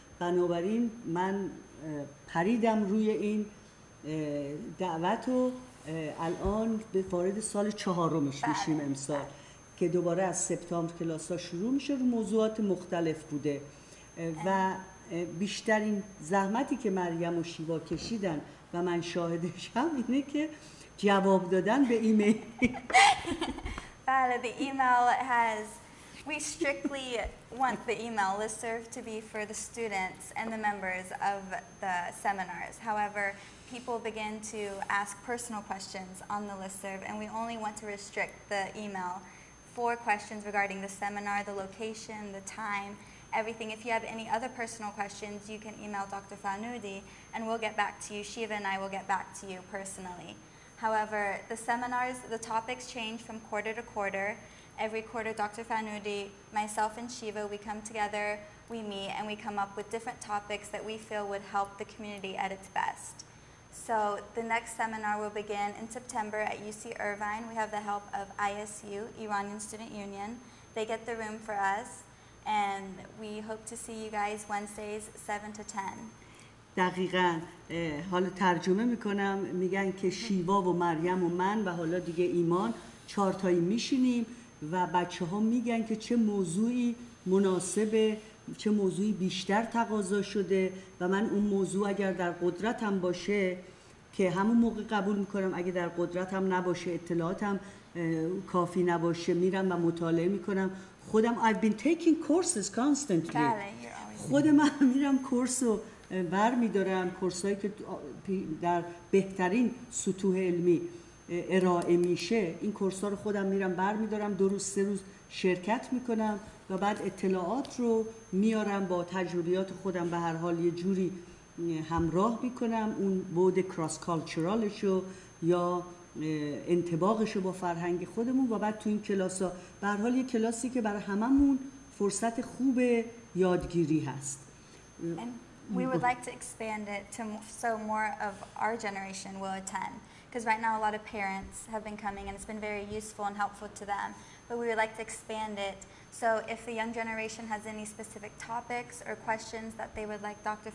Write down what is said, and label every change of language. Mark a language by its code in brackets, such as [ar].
[fa] بنابراین من پریدم روی این دعوت و الان به وارد سال چهارمش میشیم امسال که دوباره از سپتامبر کلاس‌ها شروع میشه و موضوعات مختلف بوده. و بیشترین زحمتی که مریم و شیوا کشیدن و من شاهدشم اینه که جواب دادن به ایمیل. [en] بله، the email has, we strictly want the email listserv to be for the students and the members of the seminars. However, people begin to ask personal questions on the listserv, and we only want to restrict the email for questions regarding the seminar, the location, the time, everything. If you have any other personal questions, you can email Dr. Fanoudi, and we'll get back to you. Shiva and I will get back to you personally. However, the seminars, the topics change from quarter to quarter. Every quarter, Dr. Fanoudi, myself and Shiva, we come together, we meet, and we come up with different topics that we feel would help the community at its best. So the next seminar will begin in September at UC Irvine. We have the help of ISU, Iranian Student Union. They get the room for us, and we hope to see you guys Wednesdays 7 to 10. [fa] دقیقاً. حالا ترجمه میکنم، میگن که شیوا و مریم و من و حالا دیگه ایمان چهارتایی میشینیم و بچه ها میگن که چه موضوعی مناسبه، چه موضوعی بیشتر تقاضا شده و من اون موضوع اگر در قدرتم باشه که همون موقع قبول میکنم، اگه در قدرتم نباشه، اطلاعاتم کافی نباشه، میرم و مطالعه میکنم خودم. [en] I've been taking courses constantly. [fa] خودم هم میرم کورس رو بر میدارم، کورسایی که در بهترین سطوح علمی ارائه میشه این کورسا رو خودم میرم بر میدارم، 2 روز 3 روز شرکت میکنم و بعد اطلاعات رو میارم با تجربیات خودم به هر حال یه جوری همراه میکنم، اون بود کراس کالچورالشو یا انطباقشو با فرهنگ خودمون و بعد تو این کلاسا به هر حال یه کلاسی که برای هممون فرصت خوب یادگیری هست. [en] We would like to expand it to so more of our generation will attend, because right now a lot of parents have been coming and it's been very useful and helpful to them. But we would like to expand it, so if the young generation has any specific topics or questions that they would like Dr.